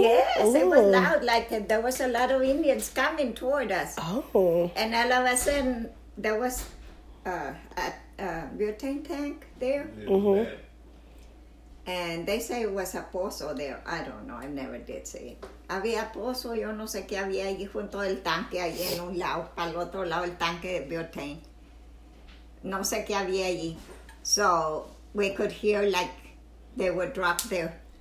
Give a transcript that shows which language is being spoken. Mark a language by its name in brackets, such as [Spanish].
[English] Yes, ooh. It was loud. Like there was a lot of Indians coming toward us. Oh. And all of a sudden, there was a butane tank there. Mm-hmm. And they say it was a pozo there. I don't know. I never did see it. [Spanish] Había pozo, yo no sé qué había allí junto del tanque, allí en un lado, para el otro lado el tanque de butane. No sé qué había allí. [English] So we could hear like they would drop there.